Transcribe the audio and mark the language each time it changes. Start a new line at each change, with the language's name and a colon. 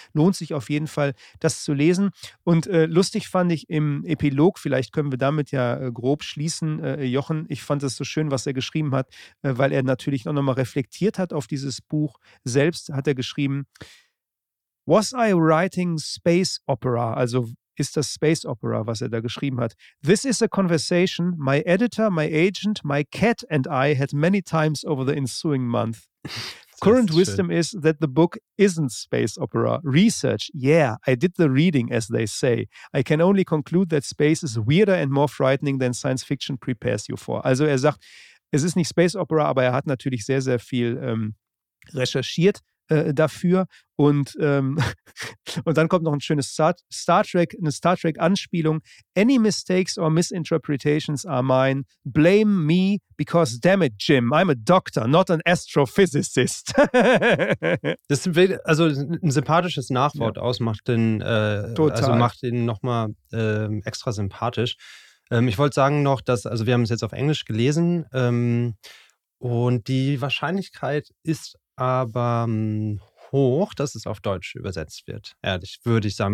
German: Lohnt sich auf jeden Fall, das zu lesen. Und lustig fand ich im Epilog, vielleicht können wir damit ja grob schließen, Jochen, ich fand es so schön, was er geschrieben hat, weil er natürlich auch nochmal reflektiert hat auf dieses Buch. Selbst hat er geschrieben,
English: "Was I writing space opera?"
German: Also ist das Space Opera, was er da geschrieben hat.
English: "This is a conversation my editor, my agent, my cat and I had many times over the ensuing month. Current wisdom is that the book isn't space opera. Research, yeah, I did the reading, as they say. I can only conclude that space is weirder and more frightening than science fiction prepares you for."
German: Also er sagt, es ist nicht Space Opera, aber er hat natürlich sehr, sehr viel recherchiert dafür. Und dann kommt noch ein schönes Star Trek-Anspielung.
English: "Any mistakes or misinterpretations are mine. Blame me, because damn it, Jim, I'm a doctor, not an astrophysicist."
German: Das ist also ein sympathisches Nachwort ausmacht den, also macht ihn nochmal extra sympathisch. Ich wollte sagen noch, dass, also wir haben es jetzt auf Englisch gelesen und die Wahrscheinlichkeit ist aber hoch, dass es auf Deutsch übersetzt wird. Ehrlich, würde ich sagen.